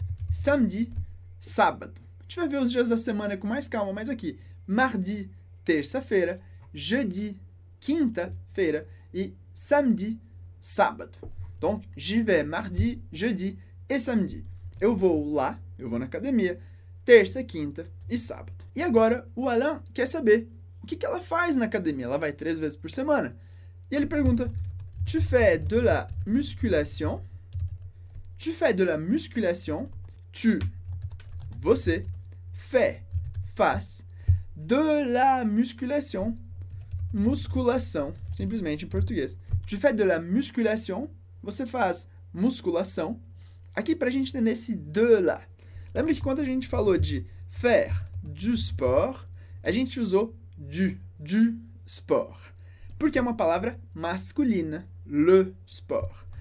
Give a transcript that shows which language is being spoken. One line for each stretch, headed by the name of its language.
Portuguese: Samedi, sábado. A gente vai ver os dias da semana com mais calma, mas aqui, mardi, terça-feira, jeudi, quinta-feira, e samedi, sábado. Então,
French: j'y vais
Portuguese: mardi, jeudi e samedi. Eu vou lá, eu vou na academia, terça, quinta e sábado. E agora, o Alain quer saber o que ela faz na academia. Ela vai 3 vezes por semana. E ele pergunta,
French: tu fais de la musculation? Tu fais de la musculation?
Portuguese: Tu, você, fais, faz, de la musculation, musculação, simplesmente em português.
French: Tu fais de la musculation,
Portuguese: você faz musculação. Aqui, para a gente entender esse de la, lembra que quando a gente falou de
French: faire du sport,
Portuguese: a gente usou du sport, porque é uma palavra masculina, le sport.